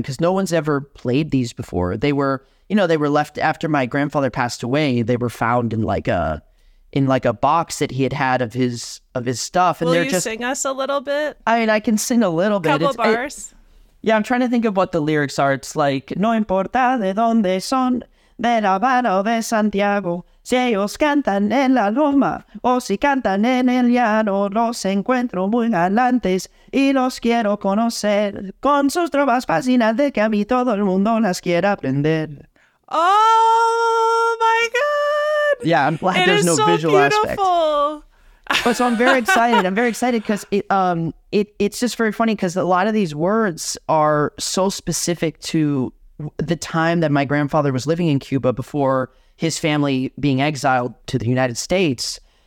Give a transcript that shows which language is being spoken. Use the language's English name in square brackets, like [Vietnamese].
[English] Because no one's ever played these before. They were, you know, they were left after my grandfather passed away. They were found in like a box that he had of his stuff. And they're just, will you sing us a little bit? I mean, I can sing a little bit. Couple bars. Yeah, I'm trying to think of what the lyrics are. [Spanish] It's like, no importa de donde son, de la Habana o de Santiago, si ellos cantan en la loma o si cantan en el llano, los encuentro muy galantes y los quiero conocer con sus trovas fascinantes que a mí todo el mundo las quiera aprender. [English] Oh my God! Yeah, I'm glad there's no visual aspect. But so I'm very excited. I'm very excited because it's just very funny because a lot of these words are so specific to the time that my grandfather was living in Cuba before his family being exiled to the United States.